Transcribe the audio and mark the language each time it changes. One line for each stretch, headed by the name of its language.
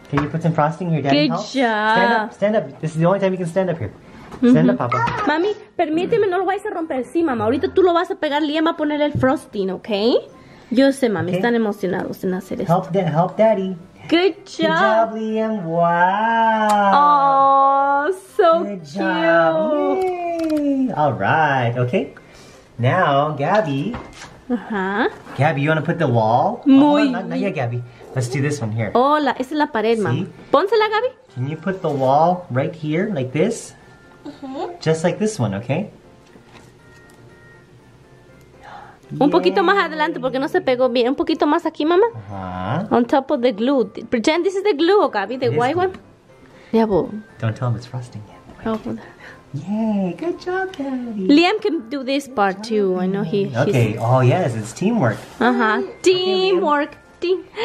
English: Can you put some frosting here, Daddy? Good job. Stand up. This is the only time you can stand up here. Stand up, Papa.
Spanish: Mami, permíteme, no lo vayas a romper. Sí, mamá. Ahorita tú lo vas a pegar. Liam va a poner el frosting, ¿ok? Yo sé, mami. Okay. Están emocionados en hacer esto.
English: Help Daddy. Good job, Liam. Wow. Oh, so good cute. Job. Yay. All right. Okay. Now, Gabby. Uh-huh. Gabby, you want to put the wall?
Spanish: Muy.
English: Oh, not yet, Gabby. Let's do this one here.
Spanish: Hola, esa es la pared, mami. Pónsela, Gabby.
English: Can you put the wall right here, like this? Uh-huh. Just like this one, okay?
Spanish: Un poquito más adelante porque no se pegó bien. Un poquito más aquí, mamá. Uh-huh.
English: On top of the glue. Pretend this is the glue, Gabby. The white one. Yeah, well. Don't tell him it's frosting yet. Oh, yay, good job, Daddy. Liam can do this part too. I know he's... Okay, oh yes, it's teamwork. Uh-huh, teamwork. Okay,